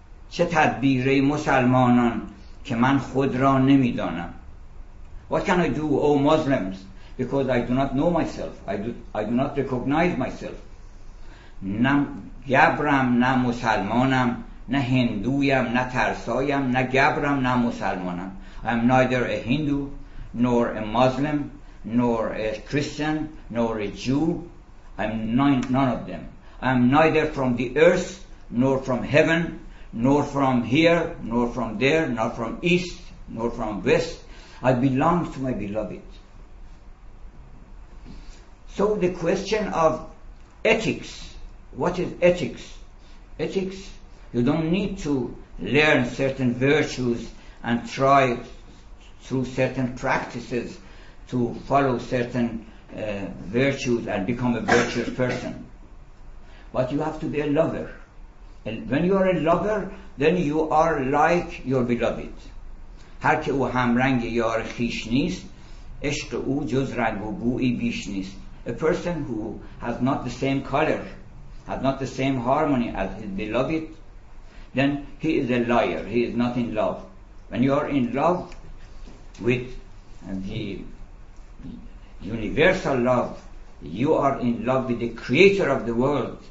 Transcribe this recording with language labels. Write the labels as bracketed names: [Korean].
[Persian] چه تدبیر مسلمانان که من خود را نمیدانم. [English] What can I do, O Muslims? Because I do not know myself. I do not recognize myself. [Persian] نه گبرم، نه مسلمانم، نه هندویم، نه ترسایم، نه گبرم، نه مسلمانم. [English] I am neither a Hindu, nor a Muslim, nor a Christian, nor a Jew. I am none of them. I am neither from the earth, nor from heaven, nor from here, nor from there, nor from east, nor from west. I belong to my beloved. So the question of ethics, what is ethics? Ethics, you don't need to learn certain virtues and try through certain practices to follow certain virtues and become a virtuous person. But you have to be a lover. And when you are a lover, then you are like your beloved. [Persian] هر که او هم رنگ یار خیش نیست، عشق او جز رنگ و بویی بیش نیست. [English] A person who has not the same color, has not the same harmony as his beloved, then he is a liar. He is not in love. When you are in love with the universal love, you are in love with the creator of the world.